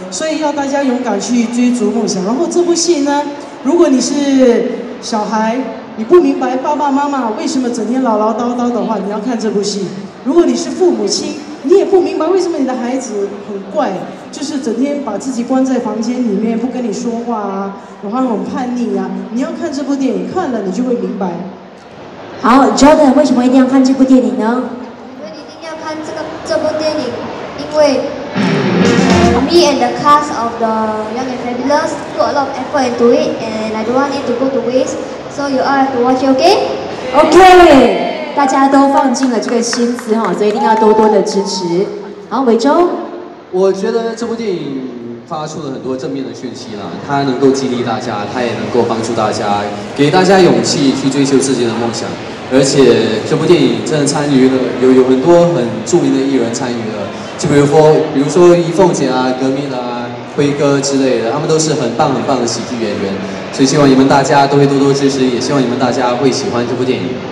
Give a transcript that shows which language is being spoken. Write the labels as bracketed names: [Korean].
[Chinese] 所以要大家勇敢去追逐梦想。然后这部戏呢，如果你是小孩，你不明白爸爸妈妈为什么整天唠唠叨叨的话，你要看这部戏。如果你是父母亲，你也不明白为什么你的孩子很怪，就是整天把自己关在房间里面不跟你说话啊，然后很叛逆啊，你要看这部电影，看了你就会明白。好， Jordan 为什么一定要看这部电影呢？因为一定要看这部电影，因为 [English] me and the cast of the Young and Fabulous put a lot of effort into it, and I don't want it to go to waste, so you all have to watch it, okay? Okay! [Chinese] 大家都放进了这个心思，所以一定要多多的支持。好，伟洲，我觉得这部电影发出了很多正面的讯息了，它能够激励大家，它也能够帮助大家，给大家勇气去追求自己的梦想。而且这部电影真的参与了，有很多很著名的艺人参与了，就比如说怡凤姐啊、革命啊、辉哥之类的，他们都是很棒很棒的喜剧演员，所以希望你们大家都会多多支持，也希望你们大家会喜欢这部电影。